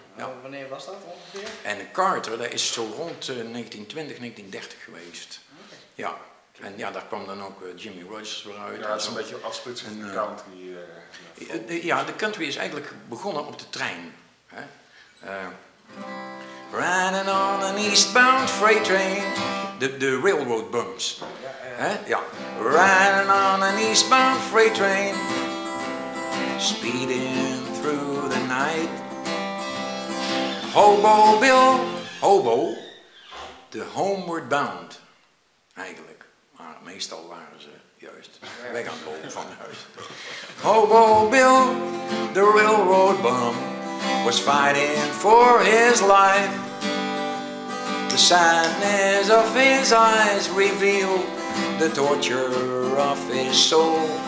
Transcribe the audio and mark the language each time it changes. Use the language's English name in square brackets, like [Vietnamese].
[Dutch] Ja. Wanneer was dat ongeveer? En de Carter, dat is zo rond 1920, 1930 geweest. Okay. Ja. En ja, daar kwam dan ook Jimmy Rogers weer uit. Ja, dat is een beetje afsplitsing van de country. Ja, de country is eigenlijk begonnen op de trein. Hè? [English] Running on an eastbound freight train. De railroad bumps. Ja, Running on an eastbound freight train. Speeding through the night. Hobo Bill. Hobo. The homeward bound. Eigenlijk. [Dutch] Maar meestal waren ze juist weg aan het lopen van huis. [English] Hobo Bill, the railroad bum, was fighting for his life. The sadness of his eyes revealed the torture of his soul.